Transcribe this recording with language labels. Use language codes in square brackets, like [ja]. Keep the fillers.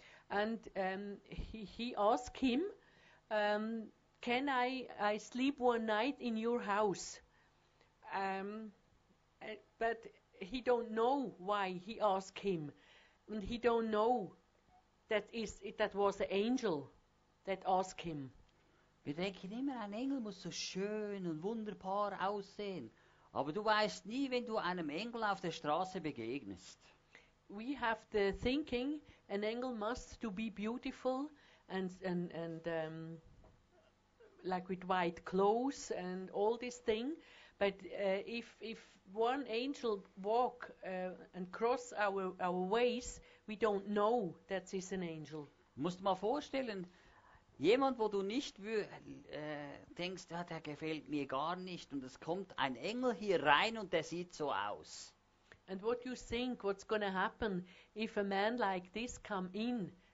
[en] And um, he he asked him, um, "Can I I sleep one night in your house?" Um, uh, but he don't know why he asked him, and he don't know that is it that was an angel that asked him. [de] Wir denken immer, ein Engel muss so schön und wunderbar aussehen. Aber du weißt nie, wenn du einem Engel auf der Straße begegnest. [en] We have the thinking, an Engel must to be beautiful and, and, and um, like with white clothes and all this thing. But uh, if, if one angel walk uh, and cross our, our ways, we don't know that is an angel. [de] Musst mal vorstellen, Jemand, wo du nicht wür, äh, denkst, ah, der gefällt mir gar nicht und es kommt ein Engel hier rein und der sieht so aus. [en] And what you think what's going to happen like an äh,